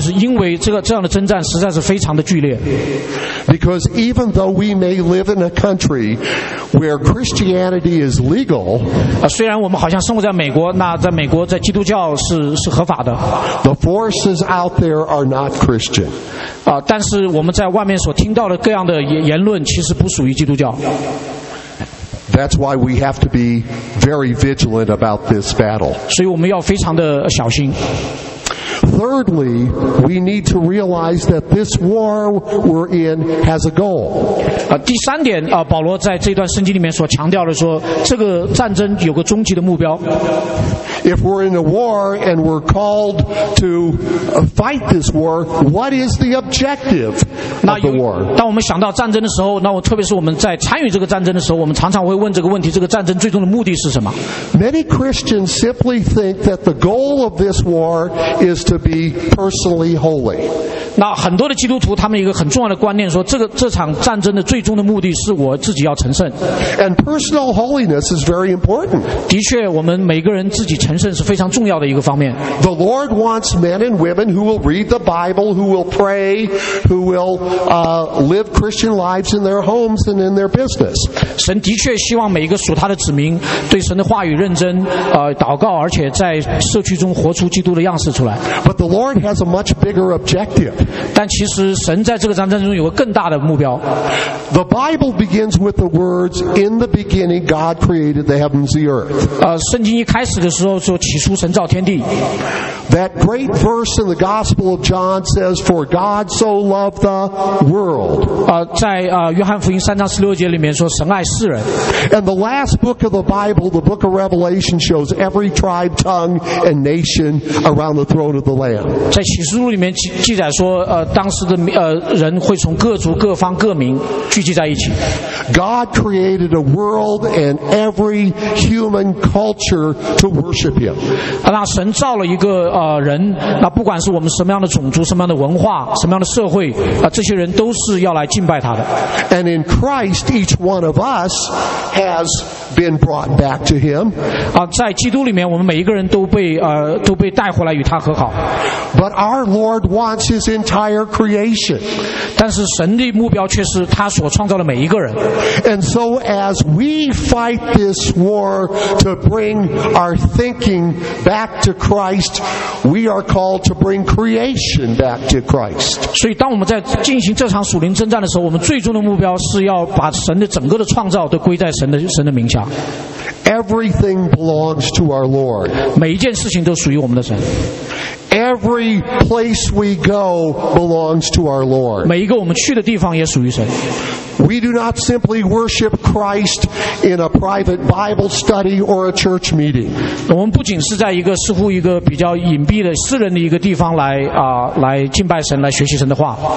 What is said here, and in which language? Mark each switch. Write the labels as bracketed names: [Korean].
[Chinese] 是因为这样的征战实在是非常的剧烈。 [English] Because even though we may live in a country where Christianity is legal, [Chinese] 虽然我们好像生活在美国，那在美国在基督教是合法的。 [English] The forces out there are not Christian. [Chinese] 但是我们在外面所听到的各样的言论，其实不属于基督教。 [English] That's why we have to be very vigilant about this battle. [Chinese] 所以我们要非常的小心。 [English] Thirdly, we need to realize that this war we're in has a goal. [Chinese] 第三点保罗在这段圣经里面所强调的说，这个战争有个终极的目标。 [English] If we're in a war and we're called to fight this war, what is the objective of the war? [Chinese] 当我们想到战争的时候，那我特别是我们在参与这个战争的时候，我们常常会问这个问题：这个战争最终的目的是什么？ [English] Many Christians simply think that the goal of this war is to be personally holy. [Chinese] 那很多的基督徒他们一个很重要的观念说，这场战争的最终的目的是我自己要成圣。 [English] And personal holiness is very important. [Chinese] 的确，我们每个人自己成圣是非常重要的一个方面。 [English] The Lord wants men and women who will read the Bible, who will pray, who will live Christian lives in their homes and in their business. [Chinese] 神的确希望每一个属他的子民对神的话语认真祷告，而且在社区中活出基督的样式出来。 [English] But the Lord has a much bigger objective. [Chinese] 但其实神在这个战争中有个更大的目标。 [English] The Bible begins with the words, "In the beginning, God created the heavens and the earth." [Chinese] 圣经一开始的时候说起初神造天地。 [English] That great verse in the Gospel of John says, "For God so loved the world." [Chinese] 在约翰福音三章十六节里面说神爱世人。 [English] And the last book of the Bible, the book of Revelation, shows every tribe, tongue, and nation around the throne of the Lamb. [Chinese] 在启示录里面记载说当时的人会从各族各方各民聚集在一起。 [English] God created a world and every human culture to worship Him. [Chinese] 那神造了一个人，那不管是我们什么样的种族、什么样的文化、什么样的社会，这些人都是要来敬拜他的。 [English] And in Christ, each one of us has been brought back to Him. [Chinese] 在基督里面，我们每一个人都被带回来与他和好。 [English] But our Lord wants His entire creation. [Chinese] 但是神的目标却是他所创造的每一个人。 [English] And so as we fight this war to bring our thinking back to Christ, we are called to bring creation back to Christ. [Chinese] 所以当我们在进行这场属灵征战的时候，我们最终的目标是要把神的整个的创造都归在神的名下。 [English] Everything belongs to our Lord. [Chinese] 每一件事情都属于我们的神。 [English] Every place we go belongs to our Lord. [Chinese] 每一个我们去的地方也属于神。 [English] We do not simply worship Christ in a private Bible study or a church meeting. [Chinese] 我们不仅是在一个似乎一个比较隐蔽的私人的一个地方来啊、来敬拜神，来学习神的话。